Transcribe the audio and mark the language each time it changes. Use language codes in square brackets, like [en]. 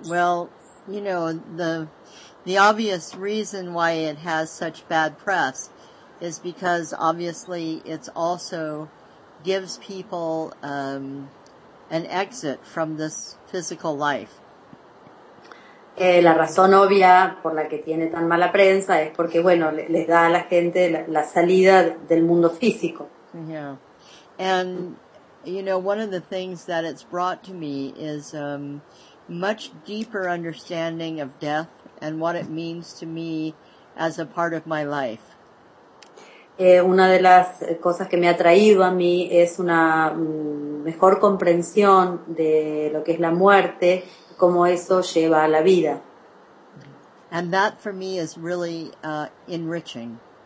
[en] Well, you know, the obvious reason why it has such bad press is because obviously it's also gives people an exit from this physical life. [es] La razón obvia por la que tiene tan mala prensa es porque, bueno, les da a la gente la salida del mundo físico. Yeah. [en] And, you know, one of the things that it's brought to me is much deeper understanding of death and what it means to me as a part of my life. [es] Una de las cosas que me ha traído a mí es una mejor comprensión de lo que es la muerte, cómo eso lleva a la vida. [en] And that for me is really enriching.